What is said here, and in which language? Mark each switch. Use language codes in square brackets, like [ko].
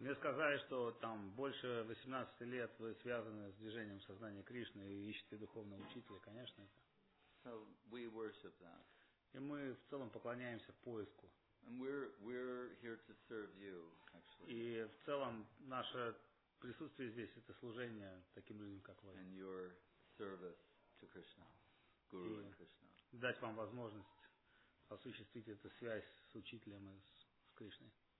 [ru] Мне сказали, что там больше 18 лет вы связаны с движением сознания Кришны и ищете духовного учителя, конечно. [en] So we worship that. [ru] И мы в целом поклоняемся поиску. [en] And we're here to serve you, actually. [ru] И в целом наше присутствие здесь это служение таким людям, как вы. [en] And your service to Krishna, Guru and Krishna. [ru] Дать вам возможность осуществить эту связь с учителем и с Кришной.